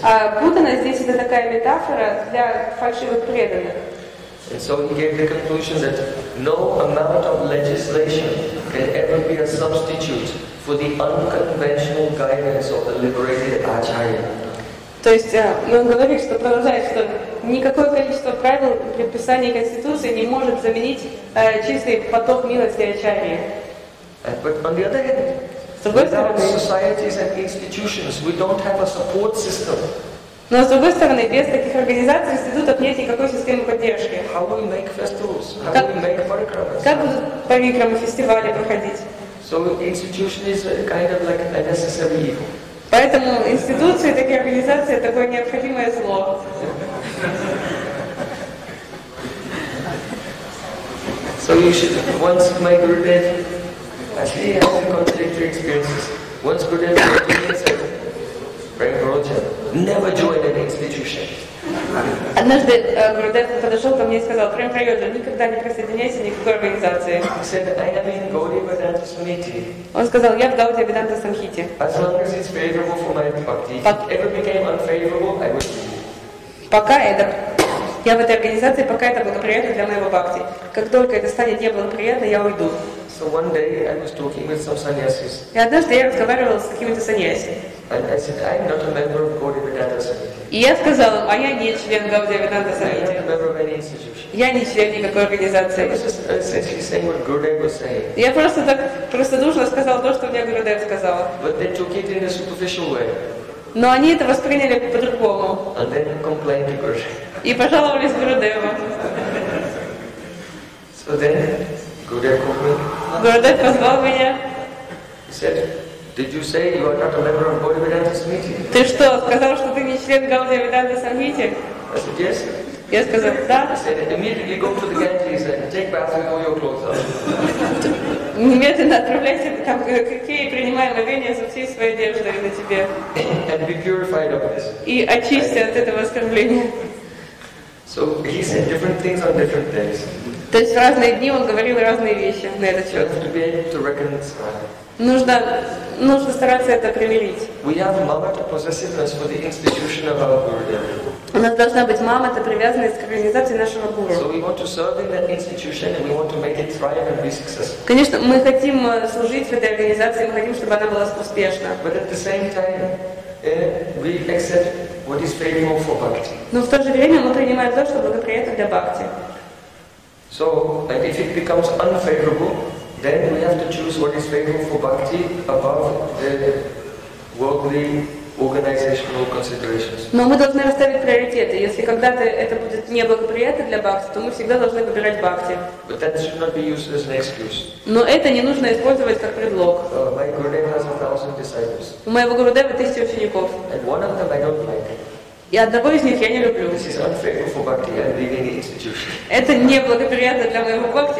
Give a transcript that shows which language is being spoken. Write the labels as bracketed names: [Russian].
[Russian] А Путина здесь это такая метафора для фальшивых преданных. [English] And so he gave the conclusion that no amount of legislation can ever be a substitute for the unconventional guidance of the liberated Acharya. [Russian] То есть он говорит, что продолжает, что никакое количество правил предписаний конституции не может заменить чистый поток милости Ачарьи. [English] But on the other hand, without societies and institutions, we don't have a support system. [Russian] Но с другой стороны, без таких организаций, институтов нет никакой системы поддержки. [English] How will we make festivals? How will we make parikramas? [Russian] Как будут парикрамы, фестивали проходить? [English] So institution is kind of like a necessary evil. [Russian] Поэтому институции, такие организации, такое необходимое зло. [English] So you should once make repent. Actually, having contradictory experiences, once Gurudev came to me and said, "Frank Roger, never join an institution." [Russian] Однажды Гурудев подошел ко мне и сказал, "Frank Roger, никогда не присоединяйся ни к какой организации." [English] He said, "I am in Gaudiya Vedanta Samhita." [Russian] Он сказал, "Я в Гаудия Веданта Самхите." [English] As long as it's favorable for my bhakti, if it ever became unfavorable, I would leave. [Russian] Пока это. Я в этой организации, пока это благоприятно для моего бхакти. Как только это станет неблагоприятно, я уйду. [English] So one day I was talking with some sannyasis. [Russian] И однажды я разговаривал с какими-то саньяси. [English] And I said, I'm not a member of Gaudiya Vedanta Samhita. [Russian] И я сказал, а я не член Gaudiya Vedanta [English] Samhita. I'm not a member of any institution. [Russian] Я не член никакой организации. [English] I was just essentially saying what Gurudev was saying. [Russian] Я просто так простодушно сказал то, что мне Гурудев сказал. [English] But they took it in a superficial way. [Russian] Но они это восприняли по-другому. [English] And then complained to Gurudev. [Russian] И пожаловались Гурудеву. [English] So then, Gurudev called me. [Russian] Гурудев позвал меня. [English] He said, "Did you say you are not a member of Gaudiya Vedanta Samhita?" [Russian] Ты что, сказал, что ты не член Gaudiya Vedanta Samhita? [English] I said, "Yes." [Russian] Я сказал, да. [English] He said, "Immediately go to the Ganges and take bath with all your clothes off." [Russian] Немедленно отправляйся там к реке и принимай омовение за всей своей одеждой на тебе. [English] And be purified of this. [Russian] И очисти от этого оскорбления. [English] So he said different things on different days. [Russian] То есть в разные дни он говорил разные вещи на этот счет. [English] You have to be able to reconcile. [Russian] Нужно стараться это примирить. [English] We have mamata possessiveness for the institution of our Gurudev. [Russian] У нас должна быть мамата привязанность к организации нашего гуру. [English] So we want to serve in that institution and we want to make it thrive and be successful. [Russian] Конечно, мы хотим служить в этой организации, мы хотим, чтобы она была успешна. [English] But at the same time, we accept what is favorable for bhakti. [Russian] Но в то же время мы принимаем то, что благоприятно для бхакти. [English] So, and if it becomes unfavorable, then we have to choose what is favorable for bhakti above the worldly organizational considerations. [Russian] Но мы должны расставить приоритеты. Если когда-то это будет неблагоприятно для бхакти, то мы всегда должны выбирать бхакти. [English] But that should not be used as an excuse. [Russian] Но это не нужно использовать как предлог. [English] My Gurudev has 1,000 disciples. [Russian] У моего Гурудева 1,000 учеников. [English] And one of them I don't like. [Russian] И одного из них я не люблю. [English] This is unfavorable for bhakti. I'm leaving the institution. [Russian] Это неблагоприятно для моего бхакти.